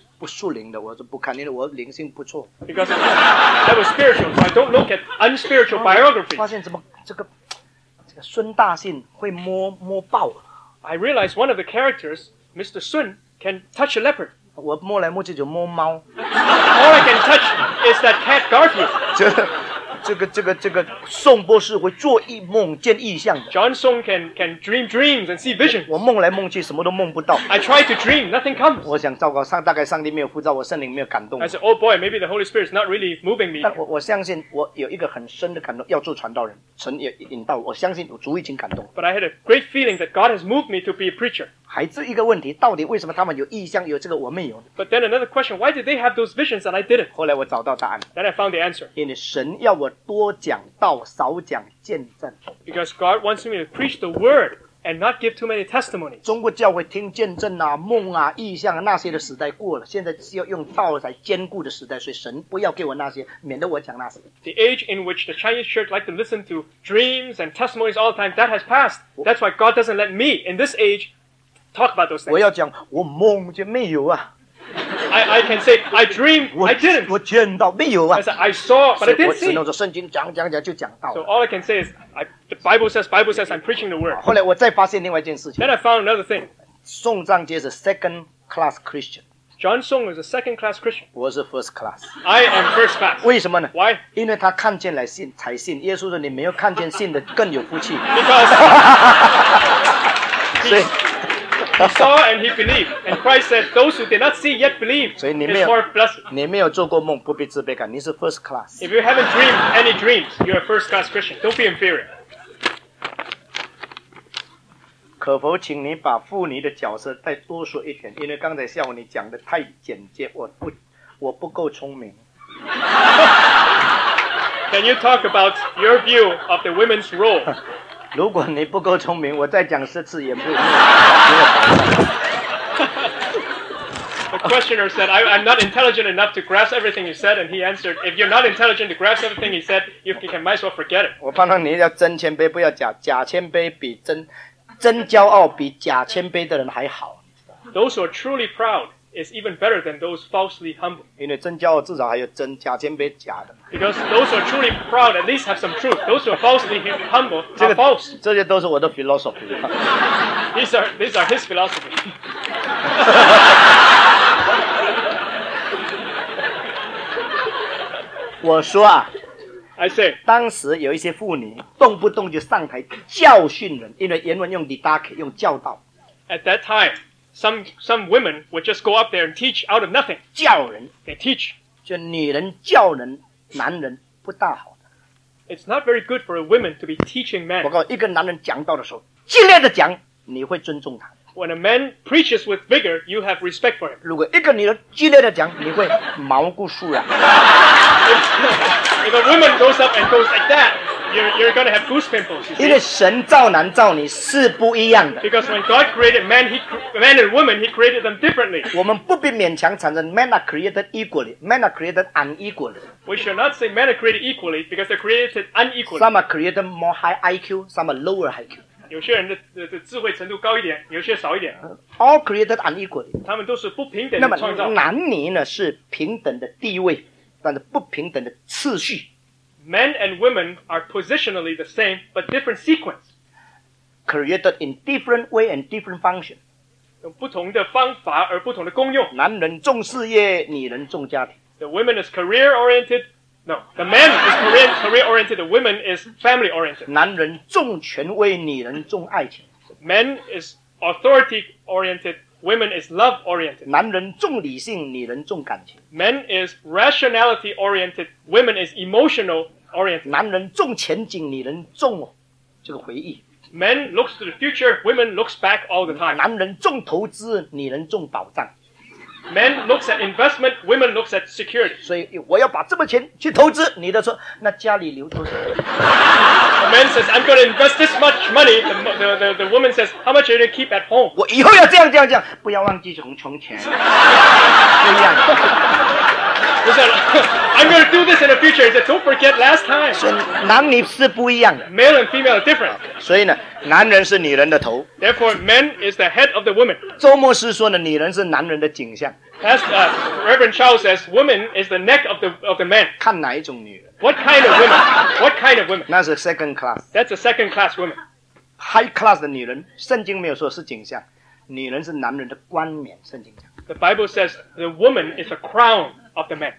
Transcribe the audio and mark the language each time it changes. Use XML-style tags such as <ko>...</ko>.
<zh>不属灵的我就不看因为我灵性不错</zh> <en>Because that was spiritual So I don't look at unspiritual biography</en> <zh>发现怎么这个孙大信会摸爆</zh> <en>I realized one of the characters Mr. Sun can touch a leopard</en> <zh>我摸来摸去就摸猫</zh> <en>All I can touch is that cat Garfield</en> <zh>这个宋博士会做一梦见异象的。</zh> <en>John Song can dream dreams and see visions.</en> <zh>我梦来梦去什么都梦不到。</zh> <en>I try to dream, nothing comes.</en> <zh>我想糟糕，大概上帝没有呼召我，圣灵没有感动。</zh> <en>I said, oh boy, maybe the Holy Spirit is not really moving me.</en> <zh>但我相信我有一个很深的感动，要做传道人，神也引导我，相信我主已经感动。</zh> <en>But I had a great feeling that God has moved me to be a preacher.</en> <zh>还是一个问题，到底为什么他们有异象，有这个我没有？</zh> <en>But then another question, why did they have those visions and I didn't?</en> <zh>后来我找到答案。</zh> <en>Then I found the answer.</en> <zh>因为神要我多讲道，少讲见证。</zh> <en>Because God wants me to preach the word and not give too many testimonies.</en> <zh>中国教会听见证啊、梦啊、异象啊那些的时代过了，现在是要用道来坚固的时代，所以神不要给我那些，免得我讲那些。</zh> <en>The age in which the Chinese church like to listen to dreams and testimonies all the time, that has passed. That's why God doesn't let me in this age talk about those things.</en> <zh>我要讲，我梦见没有啊。</zh> <en>I can say I dream, I didn't.</en> <zh>我见到没有啊</zh> <en>I saw, but I didn't see.</en> <zh>我只能说圣经讲就讲到。</zh> <en>So all I can say is, the Bible says, I'm preaching the word.</en> <zh>后来我再发现另外一件事情。</zh> <en>Then I found another thing.</en> <zh>宋藏杰是</zh> <en>second class Christian. John Song is a second class Christian.</en> <zh>我是</zh> <en>first class. I am first class.</en> <zh>为什么呢</zh> <en>？Why?</en> <zh>因为他看见来信才信。耶稣说你没有看见信的更有福气。</zh> <en>Because. He saw and he believed. And Christ said, those who did not see yet believe is more blessed.</en> <zh>你没有做过梦不必自卑感你是</zh> <en>first class. If you haven't dreamed any dreams, you're a first class Christian. Don't be inferior.</en> <zh>可否请你把妇女的角色再多说一点因为刚才下午你讲的太简洁我不够聪明。</zh> <en>Can you talk about your view of the women's role?</en> <zh>如果你不够聪明，我再讲十次也不。</zh> <en>The questioner said, "I'm not intelligent enough to grasp everything you said." And he answered, "If you're not intelligent to grasp everything he said, you can might as well forget it."</en> <zh>我判断你要真谦卑，不要假。假谦卑比真骄傲比假谦卑的人还好。</zh> <en>Those who are truly proud is even better than those falsely humble.</en> <zh>因为真骄傲至少还有真，假谦卑假的。</zh> <en>Because those who are truly proud at least have some truth. Those who are falsely humble are false.</en> <zh>这些都是我的 philosophy.</zh> <en>these are his philosophy.</en> <zh>我说啊</zh> <en>I say,</en> <zh>当时有一些妇女动不动就上台教训人因为原文用 didache 用教导。</zh> <en>At that time, some women would just go up there and teach out of nothing.</en> <zh>教人</zh> <en>They teach.</en> <zh>就女人教人男人不大好的。</zh> <en>It's not very good for a woman to be teaching men.</en> <zh>我告诉一个男人讲道的时候，激烈的讲，你会尊重他。</zh> <en>When a man preaches with vigor, you have respect for him.</en> <zh>如果一个女人激烈的讲，你会毛骨悚然。</zh> <en>If a woman goes up and goes like that, you're going to have goose pimples.</en> <zh>因为神造男造女是不一样的。</zh> <en>Because when God created men, man and woman, he created them differently.</en> <zh>我们不必勉强产生</zh> <en>men are created equally, men are created unequally. We should not say men are created equally because they're created unequally. Some are created more high IQ, some are lower IQ.</en> <zh>有些人的智慧程度高一点，有些少一点。</zh> <en>All created unequally.</en> <zh>他们都是不平等的创造。那么男女呢是平等的地位，但是不平等的次序。</zh> <en>Men and women are positionally the same, but different sequence. Created in different way and different function.</en> <zh>用不同的方法而不同的功用。男人重事业，女人重家庭。</zh> <en>The woman is career oriented. No, the man is career oriented. The woman is family oriented.</en> <zh>男人重权威，女人重爱情。</zh> <en>Men is authority oriented. Women is love oriented.</en> <zh>男人重理性，女人重感情。</zh> <en>Men is rationality oriented. Women is emotional oriented.</en> <zh>男人重前景，女人重这个回忆。</zh> <en>Men looks to the future. Women looks back all the time.</en> <zh>男人重投资，女人重保障。</zh> <en>Men looks at investment. Women looks at security.</en> <zh>所以我要把这么钱去投资，女的说，那家里留多少？</zh> <en>The man says, I'm going to invest this much money. The woman says, how much are you going to keep at home?</en> <zh>我以后要这样这样这样，不要忘记从前。不一样。</zh> <en>He said, I'm going to do this in the future. He said, don't forget last time.</en> <zh>所以男女是不一样的。</zh> <en>Male and female are different. Okay,</en> <zh>所以呢，男人是女人的头。</zh> <en>Therefore, man is the head of the woman.</en> <zh>周牧师说呢，女人是男人的颈项。</zh> <en>Reverend Charles says, woman is the neck of the man.</en> <zh>看哪一种女人。</zh> <en>What kind of women? What kind of women?</en> <zh>那是</zh> <en>second class. That's a second class woman. High class</en> <zh>的女人，圣经没有说是景象，女人是男人的冠冕，圣经讲。</zh> <en>The Bible says the woman is a crown of the man.</en>